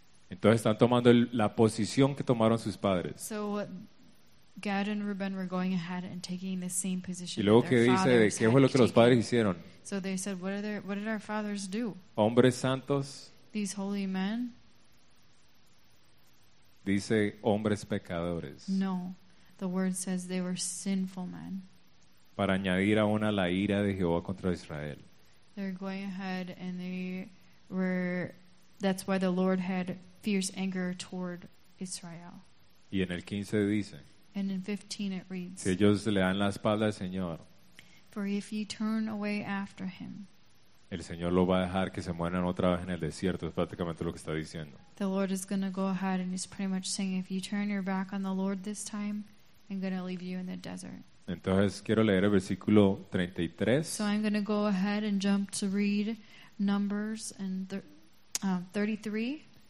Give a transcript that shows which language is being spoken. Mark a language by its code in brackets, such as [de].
[es] Entonces están tomando la posición que tomaron sus padres. [en] So Gad and Reuben were going ahead and taking the same position. [es] Y luego que dice, ¿qué fue lo que los padres hicieron? [en] So they said, what did our fathers do? [es] Hombres santos. [en] These holy men. [es] Dice hombres pecadores. No. [en] The word says they were sinful men. [es] Para añadir aún a la ira de Jehová contra Israel. [en] They're going ahead and they were, that's why the Lord had fierce anger toward Israel. [es] Y en el 15 dice, [en] and in 15 it reads, [es] si ellos le dan la espalda al Señor, [en] for if you turn away after him, [es] el Señor lo va a dejar que se mueran otra vez en el desierto, es prácticamente lo que está diciendo. [en] The Lord is going to go ahead and he's pretty much saying, if you turn your back on the Lord this time, I'm going to leave you in the desert. [es] Entonces quiero leer el versículo 33. [en] So I'm going to go ahead and jump to read Numbers and 32-33.